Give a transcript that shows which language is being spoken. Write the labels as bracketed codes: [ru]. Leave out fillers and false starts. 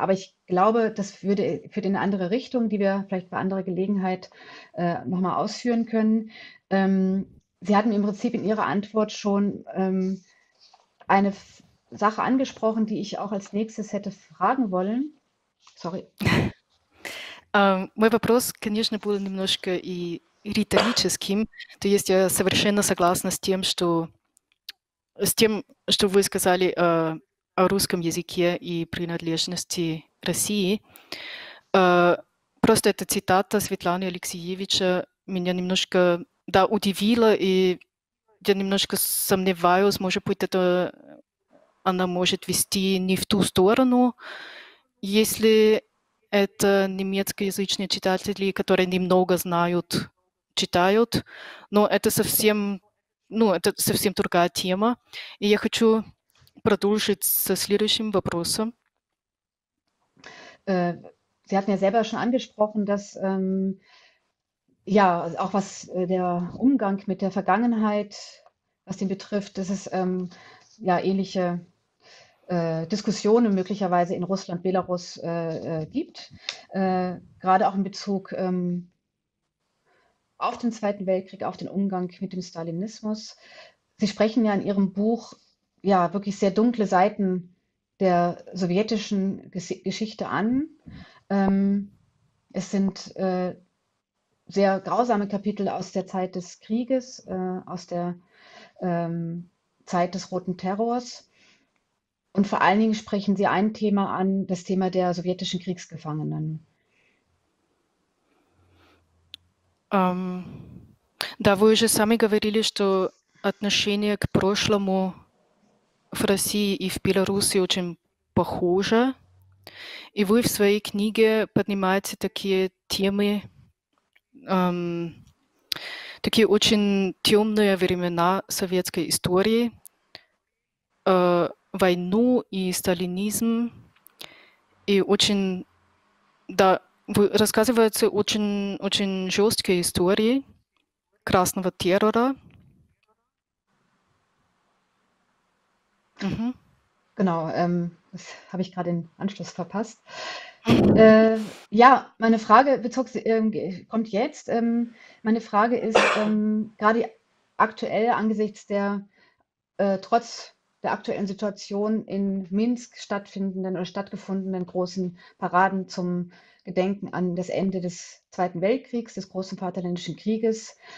[de] Aber ich glaube, das würde für eine andere Richtung, die wir vielleicht bei anderer Gelegenheit nochmal ausführen können. Sie hatten im Prinzip in Ihrer Antwort schon eine Sache angesprochen, die ich auch als nächstes hätte fragen wollen. Sorry. [ru] Мой вопрос, конечно, был немножко и риторическим. То есть я совершенно согласна с тем, что С тем, что вы сказали о русском языке и принадлежности России, просто эта цитата Светланы Алексеевича меня немножко удивила, и я немножко сомневаюсь, может быть, это она может вести не в ту сторону, если это немецкоязычные читатели, которые немного знают, читают, но это совсем, ну, это совсем другая тема. И я хочу продолжить со следующим вопросом. [de] Sie hatten ja selber schon angesprochen, dass ja auch was der Umgang mit der Vergangenheit, was den betrifft, dass es ja ähnliche Diskussionen möglicherweise in Russland, Belarus gibt, gerade auch in Bezug auf den Zweiten Weltkrieg, auf den Umgang mit dem Stalinismus. Sie sprechen ja in Ihrem Buch ja wirklich sehr dunkle Seiten der sowjetischen Geschichte an. Es sind sehr grausame Kapitel aus der Zeit des Krieges, aus der Zeit des Roten Terrors. Und vor allen Dingen sprechen Sie ein Thema an, das Thema der sowjetischen Kriegsgefangenen. [ru] Да, вы уже сами говорили, что отношение к прошлому в России и в Беларуси очень похоже. И вы в своей книге поднимаете такие темы, такие очень темные времена советской истории, войну и сталинизм. И очень, да, вы рассказываете очень, очень жесткие истории красного террора. Угу. [de] Genau, das habe ich gerade den Anschluss verpasst. Ja, meine Frage bezog, kommt jetzt. Meine Frage ist, gerade aktuell angesichts der trotz der aktuellen Situation in Minsk stattfindenden oder stattgefundenen großen Paraden zum Gedenken an das Ende des Zweiten Weltkriegs, des Großen Vaterländischen Krieges,